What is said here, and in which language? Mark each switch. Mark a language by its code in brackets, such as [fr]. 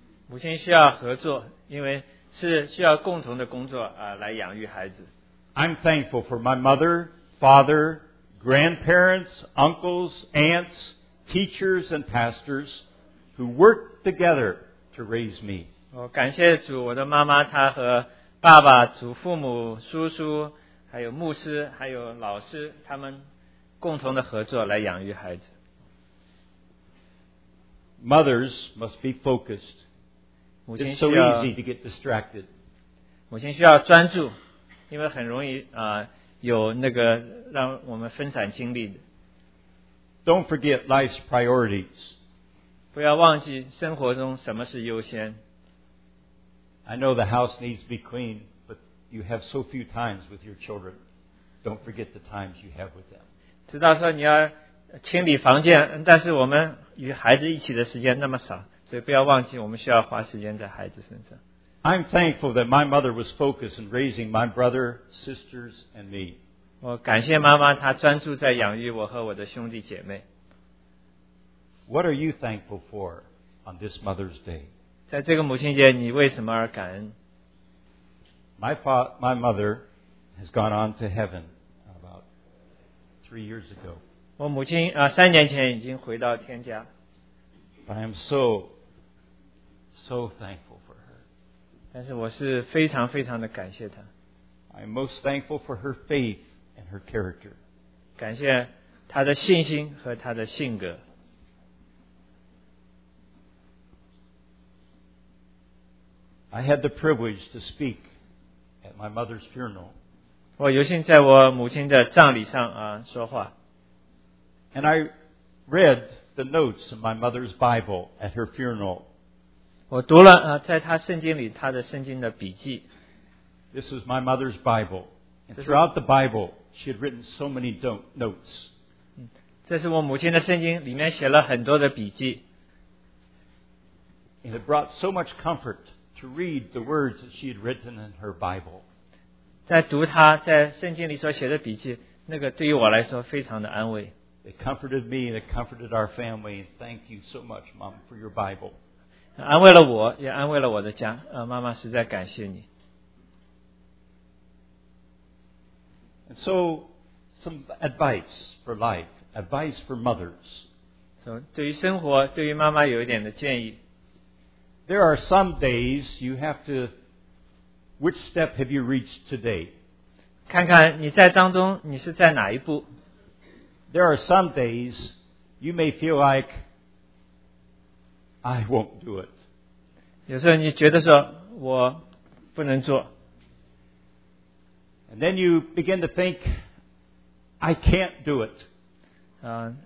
[zh] 母亲需要合作，因为是需要共同的工作啊，来养育孩子。 [en] I'm thankful for my mother, father, grandparents, uncles, aunts, teachers, and pastors who work together to raise me. [zh] 我感谢主，我的妈妈，她和爸爸、祖父母、叔叔，还有牧师，还有老师，他们共同的合作来养育孩子。 [en] Mothers must be focused. It's so easy to get distracted. [zh] 母亲需要专注，因为很容易啊、有那个让我们分散精力的。 [en] Don't forget life's priorities. [zh] 不要忘记生活中什么是优先。 [en] I know the house needs to be clean, but you have so few times with your children. Don't forget the times you have with them. [zh] 知道说你要清理房间，但是我们与孩子一起的时间那么少，所以不要忘记我们需要花时间在孩子身上。 [en] I'm thankful that my mother was focused in raising my brother, sisters, and me. [zh] 我感谢妈妈，她专注在养育我和我的兄弟姐妹。 [en] What are you thankful for on this Mother's Day? [zh] 在这个母亲节，你为什么而感恩？ [en] My mother has gone on to heaven about 3 years ago. [zh] 我母亲啊，三年前已经回到天家。 [en] But I am so thankful for her. [zh] 但是我是非常非常的感谢她。 [en] I am most thankful for her faith and her character. [zh] 感谢她的信心和她的性格。 [en] I had the privilege to speak at my mother's funeral. [zh] 我有幸在我母亲的葬礼上啊说话。 [en] And I read the notes in my mother's Bible at her funeral. [zh] 我读了啊，在她圣经里她的圣经的笔记。 [en] This is my mother's Bible. And throughout the Bible, she had written so many notes. [zh] 这是我母亲的圣经，里面写了很多的笔记。 [en] And it brought so much comfort to read the words that she had written in her Bible. [zh] 在读她在圣经里所写的笔记，那个对于我来说非常的安慰。 [en] It comforted me and it comforted our family. And thank you so much, Mom, for your Bible. [zh] 安慰了我，也安慰了我的家。妈妈实在感谢你。 [en] And so, some advice for life, advice for mothers. [zh] So, 对于生活，对于妈妈有一点的建议。 [en] There are some days you have to. Which step have you reached today? [zh] 看看你在当中你是在哪一步。 [en] There are some days you may feel like I won't do it. [zh] 有时候你觉得说我不能做。 [en] And then you begin to think I can't do it.